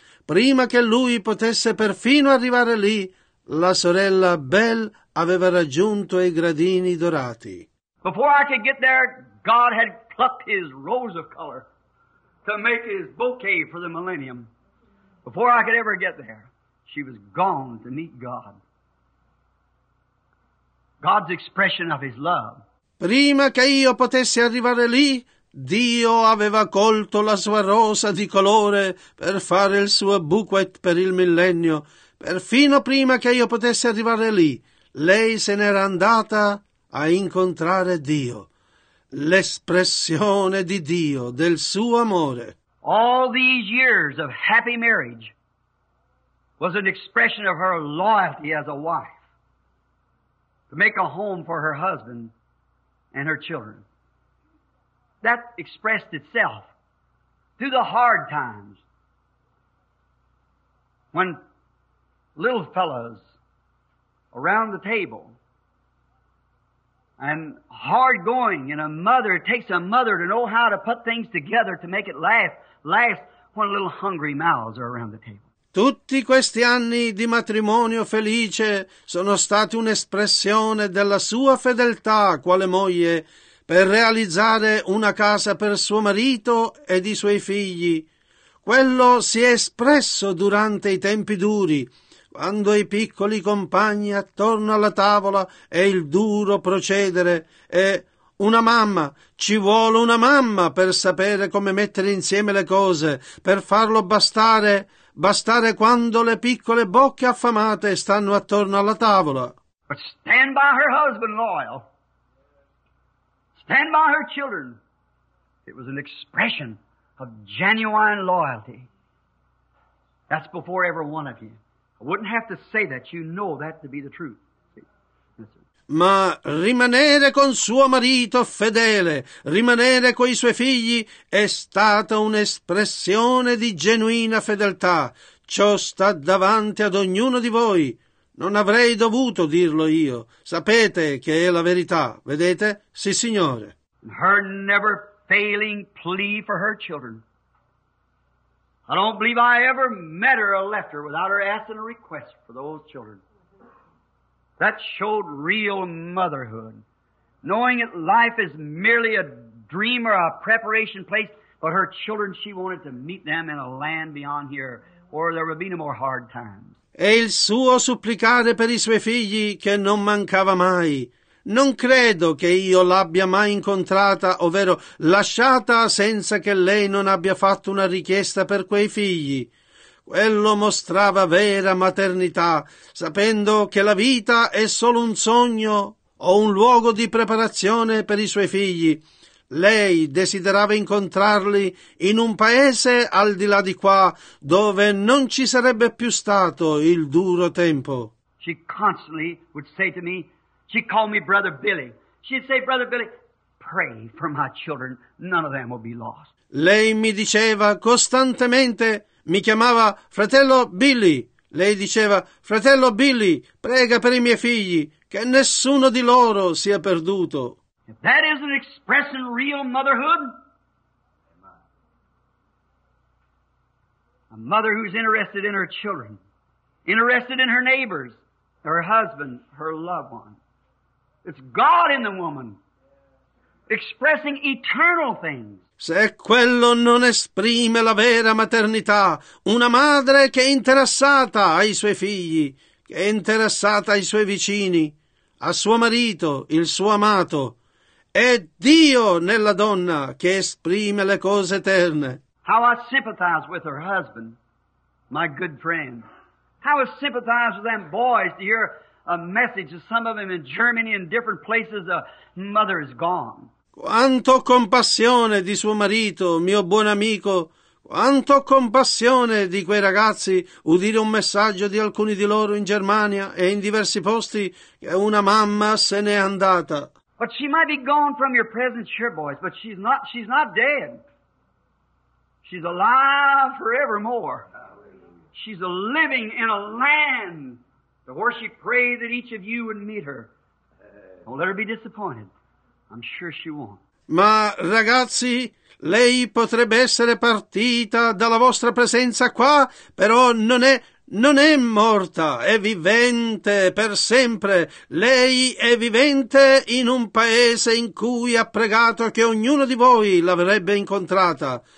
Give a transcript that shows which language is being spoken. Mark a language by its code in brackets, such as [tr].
[it] Prima che lui potesse perfino arrivare lì, la sorella Belle aveva raggiunto i gradini dorati. [en] Before I could get there, God had plucked his rose of color to make his bouquet for the millennium. Before I could ever get there, she was gone to meet God. God's expression of his love. [it] Prima che io potessi arrivare lì, Dio aveva colto la sua rosa di colore per fare il suo bouquet per il millennio. Perfino prima che io potessi arrivare lì, lei se n'era andata a incontrare Dio. L'espressione di Dio, del suo amore. [en] All these years of happy marriage was an expression of her loyalty as a wife to make a home for her husband and her children. That expressed itself through the hard times when little fellows around the table and hard going, and a mother, it takes a mother to know how to put things together to make it last when little hungry mouths are around the table. [it] Tutti questi anni di matrimonio felice sono stati un'espressione della sua fedeltà quale moglie per realizzare una casa per suo marito ed i suoi figli. Quello si è espresso durante i tempi duri. Quando i piccoli compagni attorno alla tavola è il duro procedere e una mamma, ci vuole una mamma per sapere come mettere insieme le cose, per farlo bastare, bastare quando le piccole bocche affamate stanno attorno alla tavola. [en] But stand by her husband loyal. Stand by her children. It was an expression of genuine loyalty. That's before every one of you. I wouldn't have to say that. You know that to be the truth. [it] Ma rimanere con suo marito fedele, rimanere coi suoi figli, è stata un'espressione di genuina fedeltà. Ciò sta davanti ad ognuno di voi. Non avrei dovuto dirlo io. Sapete che è la verità, vedete? Sì, signore. [en] Her never failing plea for her children. I don't believe I ever met her or left her without her asking a request for those children. That showed real motherhood. Knowing that life is merely a dream or a preparation place, but her children, she wanted to meet them in a land beyond here, where there would be no more hard times. [it] E il suo supplicare per i suoi figli che non mancava mai. Non credo che io l'abbia mai incontrata, ovvero lasciata, senza che lei non abbia fatto una richiesta per quei figli. Quello mostrava vera maternità, sapendo che la vita è solo un sogno o un luogo di preparazione per i suoi figli. Lei desiderava incontrarli in un paese al di là di qua, dove non ci sarebbe più stato il duro tempo. [en] She constantly would say to me, she called me Brother Billy. She'd say, Brother Billy, pray for my children. None of them will be lost. [it] Lei mi diceva costantemente, mi chiamava fratello Billy. Lei diceva, fratello Billy, prega per i miei figli, che nessuno di loro sia perduto. [en] If that isn't expressing real motherhood, a mother who's interested in her children, interested in her neighbors, her husband, her loved one. It's God in the woman, expressing eternal things. [it] Se quello non esprime la vera maternità, una madre che è interessata ai suoi figli, che è interessata ai suoi vicini, a suo marito, il suo amato, è Dio nella donna che esprime le cose eterne. [en] How I sympathize with her husband, my good friend. How I sympathize with them boys to hear a message of some of them in Germany and different places, a mother is gone. [it] Quanto compassione di suo marito, mio buon amico, quanto compassione di quei ragazzi udire un messaggio di alcuni di loro in Germania e in diversi posti che una mamma se n'è andata. [en] But she might be gone from your presence here, boys, but she's not dead. She's alive forevermore. She's a living in a land to where she prayed that each of you would meet her. Don't let her be disappointed. I'm sure she won't. [it] Ma ragazzi, lei potrebbe essere partita dalla vostra presenza qua, però non è morta, è vivente per sempre. Lei è vivente in un paese in cui ha pregato che ognuno di voi l'avrebbe incontrata.